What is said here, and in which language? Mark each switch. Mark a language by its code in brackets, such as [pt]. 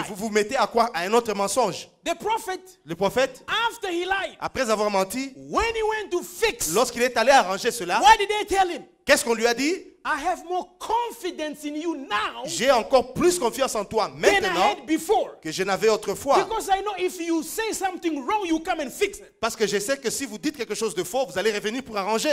[fr] Et vous vous mettez à croire à un autre mensonge. [en] The prophet, [fr] le prophète, [en] after he lied, [fr] après avoir menti, [en] when he went to fix, [fr] lorsqu'il est allé arranger cela, [en] what did they tell him? [fr] Qu'est-ce qu'on lui a dit? [en] I have more confidence in you now. [fr] J'ai encore plus confiance en toi maintenant que je n'avais autrefois. [en] Because I know if you say something wrong, you come and fix it. [fr] Parce que je sais que si vous dites quelque chose de faux, vous allez revenir pour arranger.